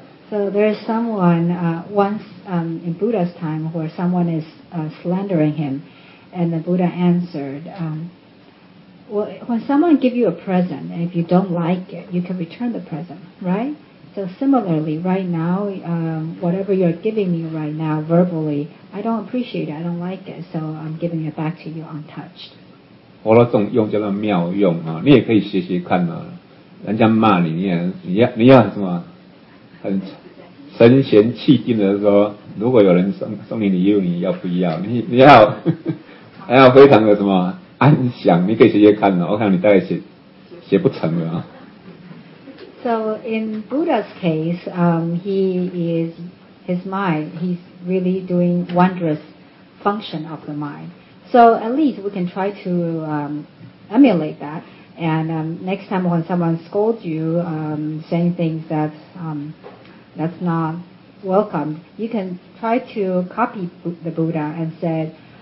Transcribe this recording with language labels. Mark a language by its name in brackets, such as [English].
[English] So there is someone once in Buddha's time where someone is slandering him and the Buddha answered Well, when someone gives you a present, and if you don't like it, you can return the present, right? So similarly, right now, whatever you're giving me right now, verbally, I don't appreciate it, I don't like it, so I'm giving it back to you untouched. [Chinese] 佛陀这种用叫做妙用、啊、你也可以学学看、啊、人家骂你，你要什么很神闲气定的说，如果有人送你礼物，你要不要？你要非常的什么？安详，你可以直接看了。我看你大概写不成了。 [English] So in Buddha's case, his mind, he's really doing wondrous function of the mind. So at least we can try to emulate that. And next time when someone scolds you, saying things that's not welcome, you can try to copy the Buddha and say.